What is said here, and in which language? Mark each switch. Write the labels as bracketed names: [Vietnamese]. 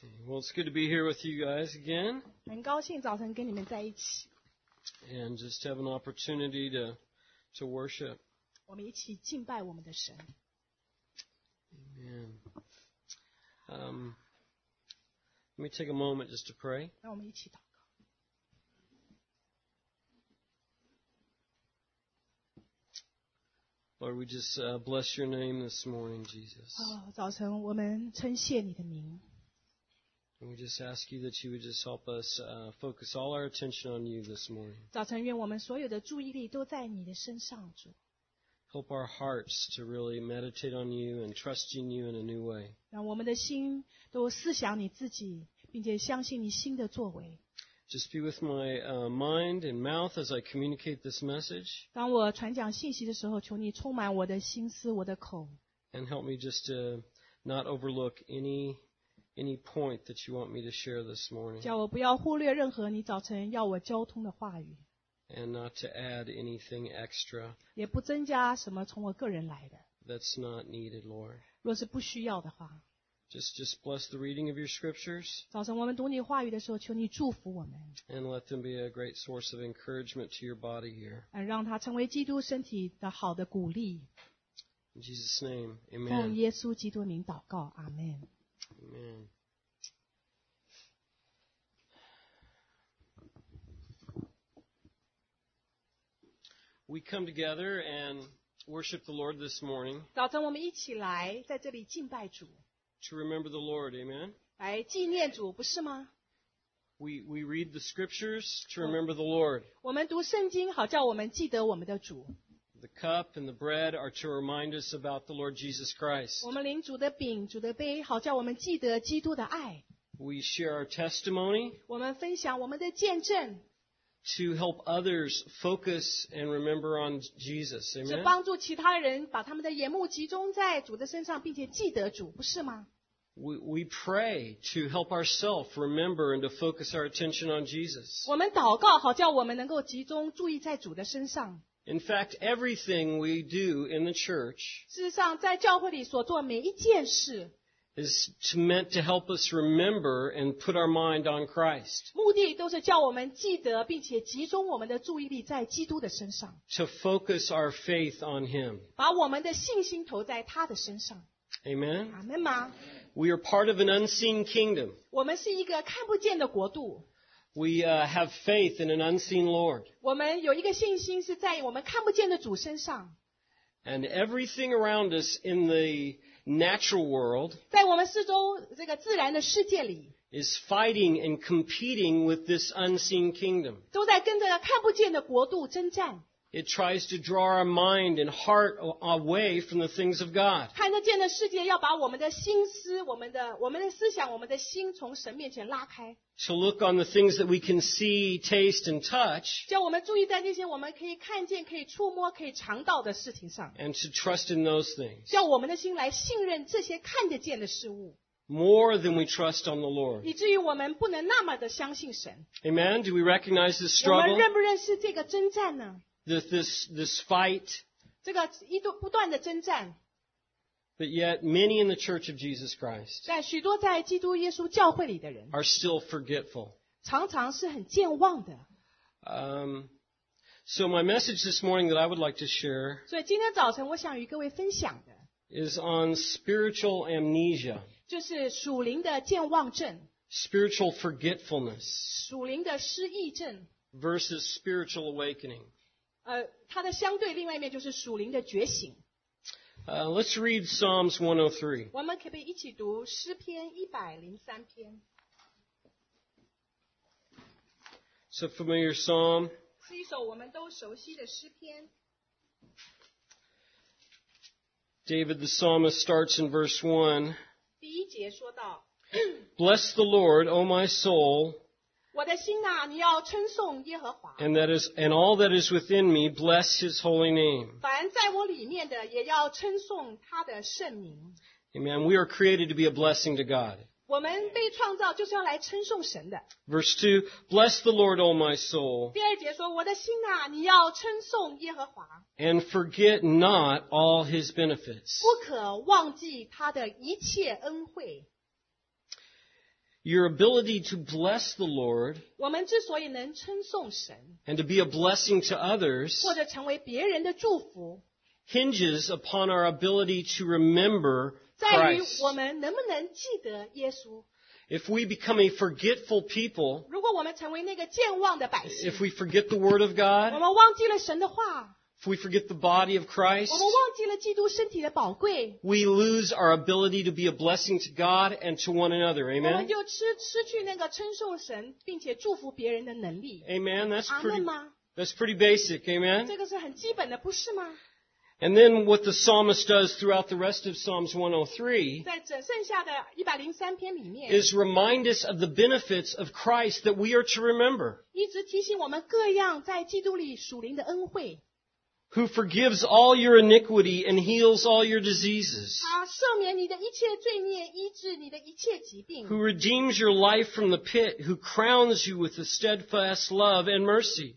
[English] It's good to be here with you guys again. [Chinese] 很高兴早晨跟你们在一起。 [English] And just have an opportunity to worship. [Chinese] 我们一起敬拜我们的神。 [English] Amen. Let me take a moment just to pray. [Chinese] 让我们一起祷告。 [English] Lord, we just bless your name this morning, Jesus. [Chinese] 早晨我们称谢你的名。 [English] And we just ask you that you would just help us focus all our attention on you this morning. [Chinese] 早晨愿我们所有的注意力都在你的身上, 主。 [English] Help our hearts to really meditate on you and trust in you in a new way. [Chinese] 让我们的心都思想你自己, 并且相信你新的作为。 [English] Just be with my mind and mouth as I communicate this message. [Chinese] 当我传讲信息的时候, 求你充满我的心思, 我的口。 [English] And help me just to not overlook any point that you want me to share this morning. [Chinese] 叫我不要忽略任何你早晨要我交通的话语。 [English] And not to add anything extra. [Chinese] 也不增加什么从我个人来的。 [English] That's not needed, Lord. [Chinese] 若是不需要的话。 [English] Just bless the reading of your scriptures. [Chinese] 早晨我们读你话语的时候, 求你祝福我们。 [English] And let them be a great source of encouragement to your body here. [Chinese] 让它成为基督身体的好的鼓励。 [English] In Jesus' name, amen. [Chinese] 奉耶稣基督名祷告, amen. [English] Amen. We come together and worship the Lord this morning. [Chinese] 早晨我们一起来在这里敬拜主。 [English] To remember the Lord, amen. [Chinese] 来纪念主，不是吗？ [English] We read the scriptures to remember the Lord. [Chinese] 我们读圣经，好叫我们记得我们的主。 [English] The cup and the bread are to remind us about the Lord Jesus Christ. [Chinese] 我们领主的饼，主的杯，好叫我们记得基督的爱。 [English] We share our testimony. [Chinese] 我们分享我们的见证。 [English] To help others focus and remember on Jesus. Amen? [Chinese] 是帮助其他人把他们的眼目集中在主的身上，并且记得主，不是吗？ [English] We pray to help ourselves remember and to focus our attention on Jesus. [Chinese] 我们祷告好叫我们能够集中注意在主的身上。 [English] In fact, everything we do in the church [Chinese] 事实上在教会里所做每一件事 [English] is meant to help us remember and put our mind on Christ. [Chinese] 目的都是叫我们记得并且集中我们的注意力在基督的身上。 [English] To focus our faith on Him. [Chinese] 把我们的信心投在他的身上。 [English] Amen. Amen. We are part of an unseen kingdom. [Chinese] 我们是一个看不见的国度。 [English] We have faith in an unseen Lord. [Chinese] 我们有一个信心是在我们看不见的主身上。 [English] And everything around us in the natural world [Chinese] 在我们四周这个自然的世界里 [English] is fighting and competing with this unseen kingdom. [Chinese] 都在跟着看不见的国度征战。 [English] It tries to draw our mind and heart away from the things of God. [Chinese] 看得见的世界要把我们的心思、我们的思想、我们的心从神面前拉开。 [English] To look on the things that we can see, taste, and touch. [Chinese] 叫我们注意在那些我们可以看见、可以触摸、可以尝到的事情上。 [English] And to trust in those things. [Chinese] 叫我们的心来信任这些看得见的事物。 [English] More than we trust on the Lord. [Chinese] 以至于我们不能那么的相信神。 [English] Amen. Do we recognize this struggle? [Chinese] 我们认不认识这个征战呢？ [English] This fight, [Chinese] 这个一度不断的征战 [English] but yet many in the Church of Jesus Christ, [Chinese] 但许多在基督耶稣教会里的人 [English] are still forgetful, [Chinese] 常常是很健忘的 [English] So my message this morning that I would like to share, [Chinese] 所以今天早晨我想与各位分享的 [English] is on spiritual amnesia, [Chinese] 就是属灵的健忘症 [English] spiritual forgetfulness, [Chinese] 属灵的失忆症 [English] versus spiritual awakening. [Chinese] 它的相对另外一面就是属灵的觉醒。 [English] Let's read Psalms 103. [Chinese] 我们可不可以一起读诗篇103篇。 [English] It's a familiar psalm. [Chinese] 是一首我们都熟悉的诗篇。 [English] David the psalmist starts in verse 1. [Chinese] 第一节说到。 [English] Bless the Lord, O my soul. [Chinese] 我的心啊，你要称颂耶和华。 [English] And all that is within me, bless His holy name. [Chinese] 凡在我里面的，也要称颂他的圣名。 [English] Amen. We are created to be a blessing to God. [Chinese] 我们被创造就是要来称颂神的。 [English] Verse 2, bless the Lord, O my soul. [Chinese] 第二节说，我的心啊，你要称颂耶和华。 [English] And forget not all His benefits. [Chinese] 不可忘记他的一切恩惠。 [English] Your ability to bless the Lord [Chinese] 我们之所以能称颂神 [English] and to be a blessing to others [Chinese] 或者成为别人的祝福 [English] hinges upon our ability to remember Christ [Chinese] 在于我们能不能记得耶稣 [English] If we become a forgetful people [Chinese] 如果我们成为那个健忘的百姓 [English] If we forget the word of God [Chinese] 我们忘记了神的话 [English] If we forget the body of Christ [Chinese] 我们忘记了基督身体的宝贵 [English] We lose our ability to be a blessing to God and to one another. Amen? [Chinese] 我们就失去那个称颂神并且祝福别人的能力。 [English] Amen? That's pretty basic. Amen? [Chinese] 这个是很基本的不是吗 [English] And then what the psalmist does throughout the rest of Psalms 103 [Chinese] 在整剩下的103篇里面 [English] is remind us of the benefits of Christ that we are to remember. [Chinese] 一直提醒我们各样在基督里属灵的恩惠。 [English] Who forgives all your iniquity and heals all your diseases. [Chinese] 他赦免你的一切罪孽，医治你的一切疾病。 [English] Who redeems your life from the pit, who crowns you with a steadfast love and mercy.